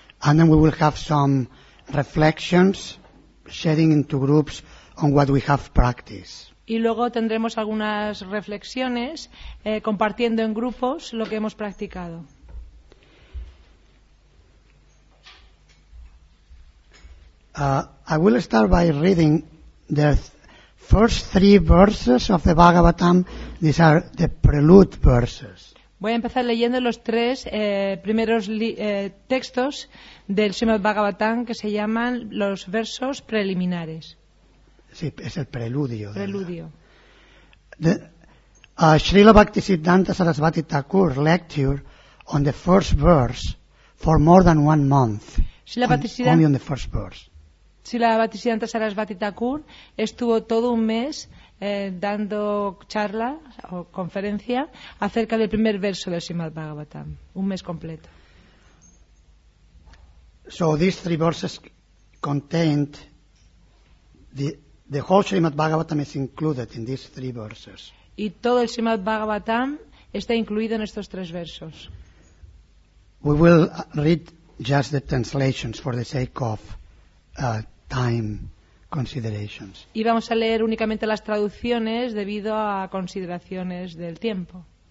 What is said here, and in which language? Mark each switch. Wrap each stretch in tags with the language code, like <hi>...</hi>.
<en>And then we will have some reflections, sharing into groups on what we have practiced.</en> <es>Y luego tendremos algunas reflexiones, compartiendo en grupos lo que hemos practicado.</es> <en>I will start by reading the first three verses of the Bhagavatam. These are the prelude verses.</en> <es>Voy a empezar leyendo los tres primeros textos del Srimad Bhagavatam, que se llaman los versos preliminares. Sí, es el preludio. Preludio.</es> <en>Srila Bhaktisiddhanta Sarasvati Thakur lecture on the first verse for more than one month. Only on the first verse.</en> <es>Srila Bhaktisiddhanta Sarasvati Thakur estuvo todo un mes dando charla o conferencia acerca del primer verso del Srimad Bhagavatam. Un mes completo.</es> <en>So these three verses contain the whole Srimad Bhagavatam is included in these three verses.</en> <es>Y todo el Srimad Bhagavatam está incluido en estos tres versos.</es> <en>We will read just the translations for the sake of time considerations.</en> <es>Y vamos a leer únicamente las traducciones debido a consideraciones del tiempo.</es>